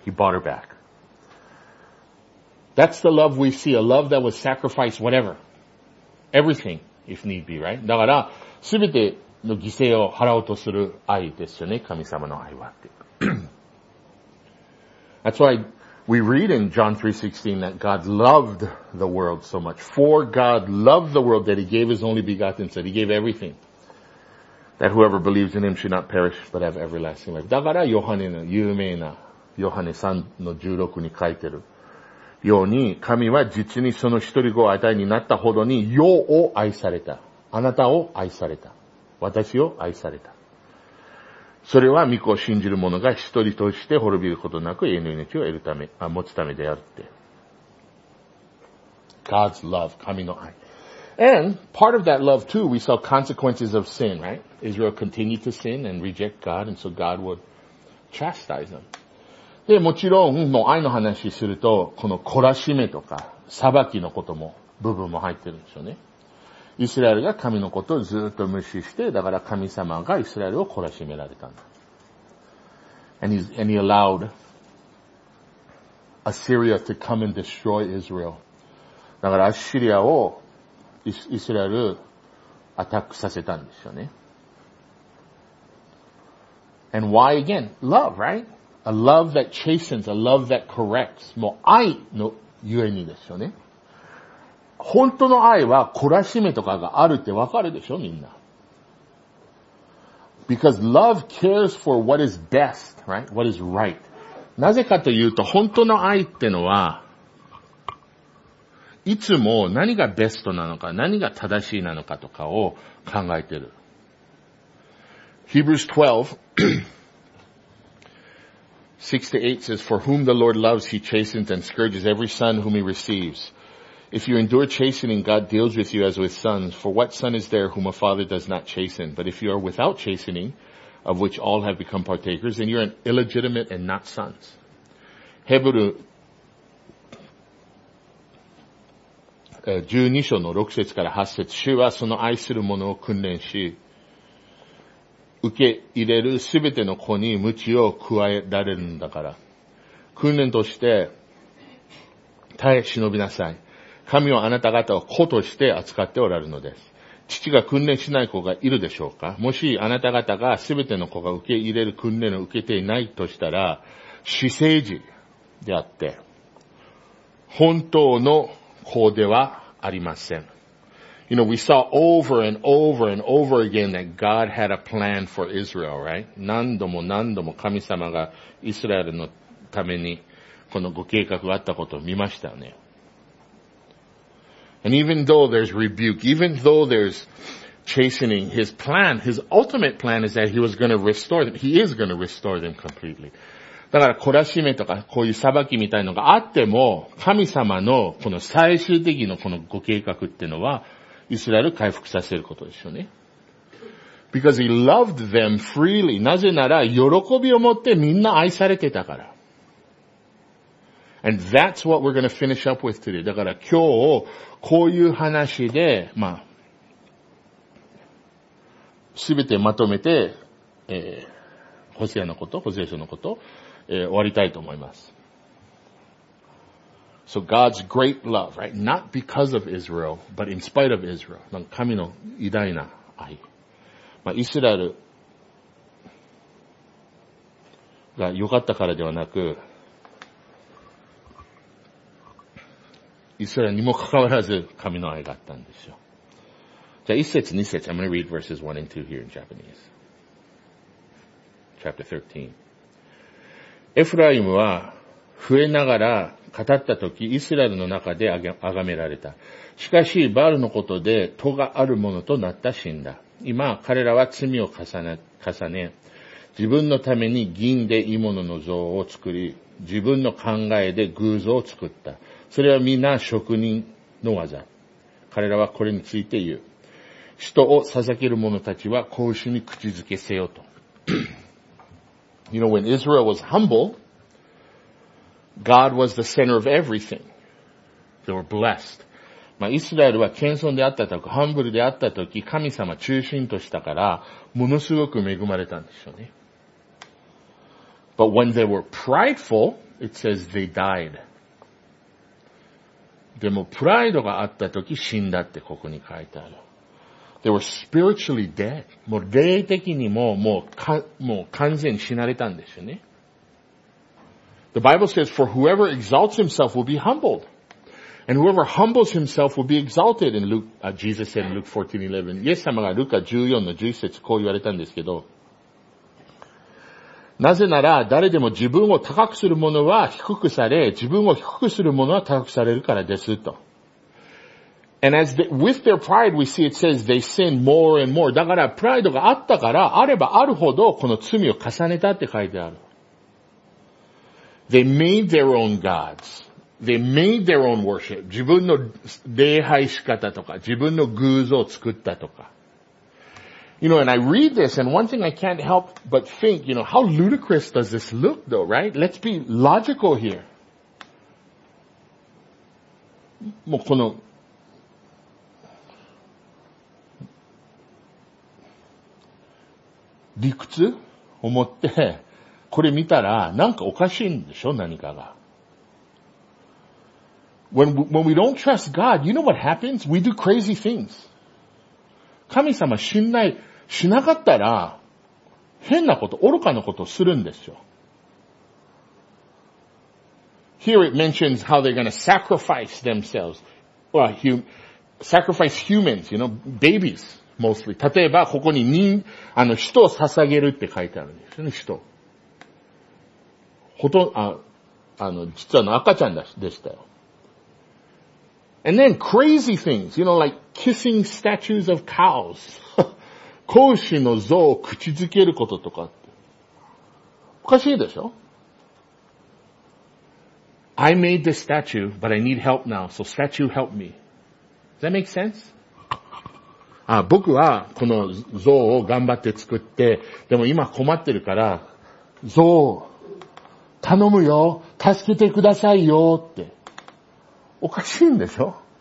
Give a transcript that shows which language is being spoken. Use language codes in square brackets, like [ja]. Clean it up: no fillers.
[en] He bought her back. That's the love we see, a love that would sacrifice whatever. Everything, if need be, right? [ja] だから、すべての犠牲を払おうとする愛ですよね、神様の愛はって。 [en] That's why we read in John 3:16 that God loved the world so much. For God loved the world that He gave His only begotten Son. He gave everything. That whoever believes in Him should not perish but have everlasting life. [ja] だからヨハネの有名なヨハネ3:16に書いてるように神は実にその一人子を与えになったほどに世を愛された。あなたを愛された。私を愛された。それは御子を信じる者が一人として滅びることなく永遠の命を得るため、持つためであるって。 [en] God's love, [ja] 神の愛。 [en] And part of that love too, we saw consequences of sin, right? Israel continued to sin and reject God, and so God would chastise them. [ja] で、もちろん、もう愛の話すると、この懲らしめとか、裁きのことも、部分も入ってるんですよね。イスラエルが神のことをずっと無視して、だから神様がイスラエルを懲らしめられたんだ。 [en] And he allowed Assyria to come and destroy Israel. [ja] だからアッシリアをイスラエルアタックさせたんですよね。 [en] And why again? Love, right? A love that chastens, a love that corrects. [ja] もう愛のゆえにですよね。本当の愛は懲らしめとかがあるってわかるでしょみんな。 [en] Because love cares for what is best, right? What is right. [ja] なぜかというと、本当の愛ってのは、いつも何がベストなのか、何が正しいなのかとかを考えてる。 [en] Hebrews 12:6-8 says, For whom the Lord loves, he chastens and scourges every son whom he receives. If you endure chastening, God deals with you as with sons. For what son is there whom a father does not chasten? But if you are without chastening, of which all have become partakers, then you are an illegitimate and not sons. [ja] ヘブル12章の6節から8節、主はその愛する者を訓練し、受け入れるすべての子に鞭を加えられるんだから。訓練として耐え忍びなさい。神はあなた方を子として扱っておられるのです。父が訓練しない子がいるでしょうか？もしあなた方がすべての子が受け入れる訓練を受けていないとしたら、私生児であって、本当の子ではありません。 [en] You know, we saw over and over and over again that God had a plan for Israel, right? [ja] 何度も何度も神様がイスラエルのためにこのご計画があったことを見ましたね。 [en] And even though there's rebuke, even though there's chastening, his plan, his ultimate plan is that he was going to restore them. He is going to restore them completely. [ja] だから懲らしめとかこういう裁きみたいのがあっても、神様のこの最終的のこのご計画っていうのは、イスラエルを回復させることですよね。 [en] Because he loved them freely. [ja] なぜなら喜びを持ってみんな愛されてたから。 [en] And that's what we're going to finish up with today. [ja] だから今日こういう話で、まあ、すべてまとめて、ホセアのこと、ホセア書のこと、終わりたいと思います。 [en] So God's great love, right? Not because of Israel, but in spite of Israel. [ja] 神の偉大な愛。まあ、イスラエルが良かったからではなく、イスラエルにもかかわらず神の愛があったんですよ。じゃあ一節二節、 [en] I'm going to read verses 1 and 2 here in Japanese. Chapter 13. [ja] エフライムは増えながら語った時、イスラエルの中で崇められた。しかし、バールのことで、戸があるものとなった死んだ。今、彼らは罪を重ね、自分のために銀で鋳物の像を作り、自分の考えで偶像を作った。それは皆職人の技。彼らはこれについて言う。人を捧げる者たちは、子牛に口づけせよと。 [en] You know, when Israel was humble,God was the center of everything. They were blessed. [ja] まあ、イスラエルは謙遜であったとき、ハンブルであったとき、神様中心としたから、ものすごく恵まれたんでしょうね。 [en] But when they were prideful, it says they died. [ja] でも、プライドがあったとき、死んだってここに書いてある。 [en] They were spiritually dead. [ja] もう霊的にも、もう完全に死なれたんでしょうね。 [en] The Bible says, for whoever exalts himself will be humbled. And whoever humbles himself will be exalted. In Luke,、Jesus said in Luke 14:11. [ja] イエス様がルカ14の11節こう言われたんですけど。なぜなら誰でも自分を高くする者は低くされ、自分を低くする者は高くされるからですと。 [en] And as the, with their pride, we see it says they sin more and more. [ja] だからプライドがあったから、あればあるほどこの罪を重ねたって書いてある。 [en] They made their own gods. They made their own worship. [ja] 自分の礼拝仕方とか、自分の偶像を作ったとか。 [en] You know, and I read this, and one thing I can't help but think, you know, how ludicrous does this look though, right? Let's be logical here. [ja] もうこの、理屈を持って、これ見たらなんかおかしいんでしょ何かが。 [en] When we don't trust God, you know what happens? We do crazy things. [ja] 神様信頼しなかったら変なこと、愚かなことをするんですよ。 [en] Here it mentions how they're going to sacrifice themselves, or sacrifice humans, you know, babies mostly. [ja] 例えばここに人、あの人を捧げるって書いてあるんですね、人。ほとんど、実はの赤ちゃんでしたよ。 [en] And then crazy things, you know, like kissing statues of cows. [ja] 子牛の像を口づけることとかって。おかしいでしょ [en] ?I made this statue, but I need help now, so statue help me. Does that make sense? [ja] 僕はこの像を頑張って作って、でも今困ってるから、像を頼むよ、助けてくださいよって。おかしいんでしょ？